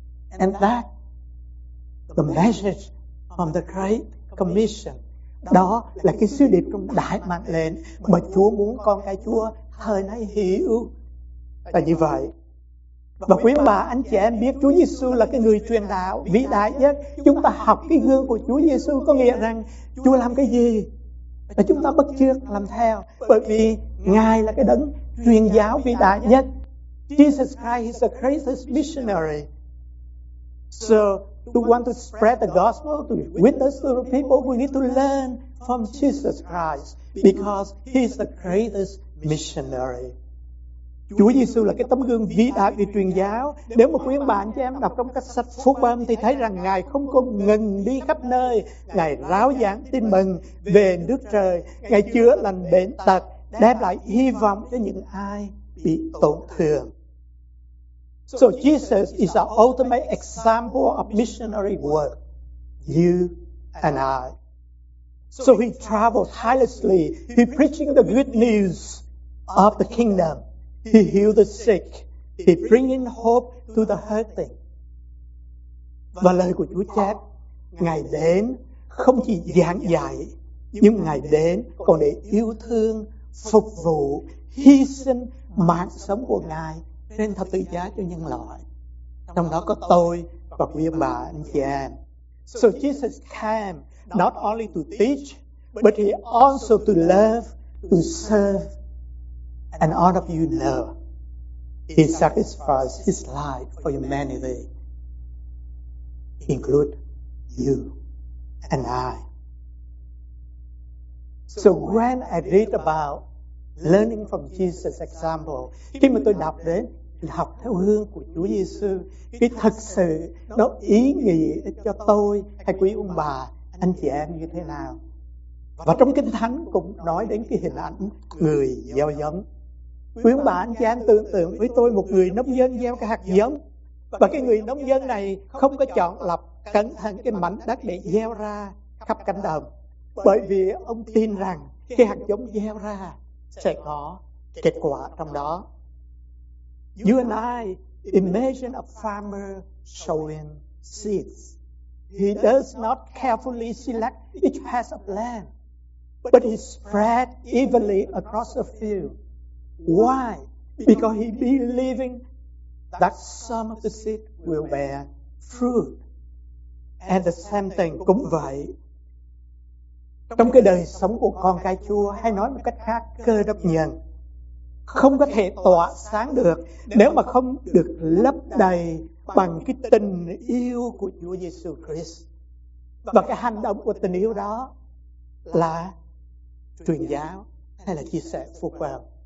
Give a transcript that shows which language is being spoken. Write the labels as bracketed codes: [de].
[en] And that the message from the Great Commission. [vi] Đó là cái sứ điệp trong đại mạng lệnh mà Chúa muốn con cái Chúa thời nay hiểu. Và như vậy, Và quý bà anh chị em biết Chúa Giêsu là cái người truyền đạo vĩ đại nhất. Chúng ta học cái gương của Chúa Giêsu có nghĩa rằng Chúa làm cái gì và chúng ta bắt chước làm theo, bởi vì Ngài là cái đấng truyền giáo vĩ đại nhất. [en] Jesus Christ is the greatest missionary. So we want to spread the gospel, to witness to the people. We need to learn from Jesus Christ because He is the greatest missionary. [vi] Chúa Giêsu là cái tấm gương vĩ đại để truyền giáo. Nếu mà quý ông bà anh chị em đọc trong các sách Phúc Âm thì thấy rằng Ngài không có ngừng đi khắp nơi, Ngài rao giảng tin mừng về nước trời, Ngài chữa lành bệnh tật, đem lại hy vọng cho những ai bị tổn thương. [en] So Jesus is the ultimate example of missionary work, you and I. So He traveled tirelessly, He preaching the good news of the kingdom. He healed the sick. He bringing hope to the hurting. [vi] Và lời của Chúa chép, Ngài đến không chỉ giảng dạy, nhưng Ngài đến còn để yêu thương, phục vụ, hy sinh mạng sống của Ngài trên thập tự giá cho nhân loại. Trong đó có tôi và quý ông bà anh chị em. [en] So Jesus came not only to teach, but He also to love, to serve. And all of you know, He sacrificed His life for humanity, include you and I. So when I read about learning from Jesus' example, [vi] khi mà tôi đọc đến, học theo gương của Chúa Giêsu, cái thực sự nó ý nghĩa cho tôi hay quý ông bà, anh chị em như thế nào? Và trong Kinh Thánh cũng nói đến cái hình ảnh người gieo giống. Quý ông bà anh chị em tưởng tượng với tôi một người nông dân gieo cái hạt giống, và cái người nông dân này không có chọn lọc cẩn thận cái mảnh đất để gieo ra khắp cánh đồng, bởi vì ông tin rằng cái hạt giống gieo ra sẽ có kết quả trong đó. [en] You and I imagine a farmer sowing seeds. He does not carefully select each patch of land, but he spread evenly across the field. Why? Because he believing that some of the seed will bear fruit. And the same thing [vi] cũng vậy. Trong cái đời sống của con cái Chúa, hay nói một cách khác, cơ đốc nhân không có thể tỏa sáng được nếu mà không được lấp đầy bằng cái tình yêu của Chúa Giêsu Christ. Và cái hành động của tình yêu đó là truyền giáo hay là chia sẻ phúc âm.